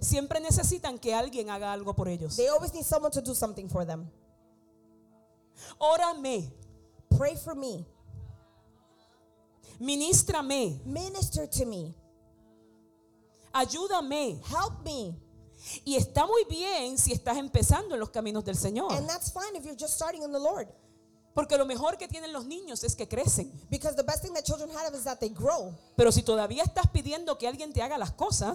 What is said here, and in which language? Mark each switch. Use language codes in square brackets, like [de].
[es] siempre necesitan que alguien haga algo por ellos. [en] They always need someone to do something for them. [es] Órame. [en] Pray for me. [es] Ministrame. [en] Minister to me. [es] Ayúdame. [en] Help me. [es] Y está muy bien si estás empezando en los caminos del Señor. [en] And that's fine if you're just starting in the Lord. [es] Porque lo mejor que tienen los niños es que crecen. [en] Because the best thing that children have is that they grow. [es] Pero si todavía estás pidiendo que alguien te haga las cosas,